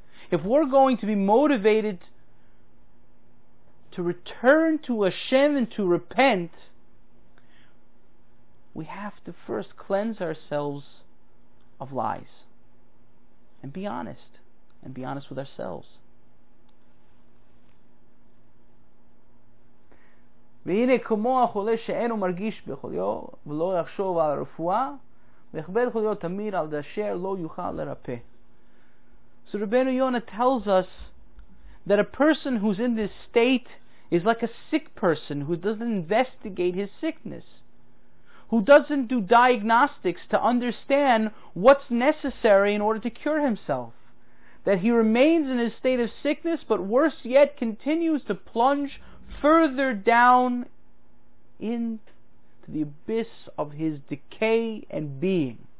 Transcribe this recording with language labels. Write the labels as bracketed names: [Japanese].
[English] If we're going to be motivated to return to Hashem and to repent, we have to first cleanse ourselves of lies and be honest with ourselves. [Hebrew] והנה כמו החולה שאינו מרגיש בחוליו ולא יחשוב על הרפואה ויכבד חוליו תמיד על דשר לא יוכל לרפא. [English] So Rabbeinu Yonah tells us that a person who's in this state is like a sick person who doesn't investigate his sickness, who doesn't do diagnostics to understand what's necessary in order to cure himself, that he remains in his state of sickness, but worse yet, continues to plunge further down into the abyss of his decay and being.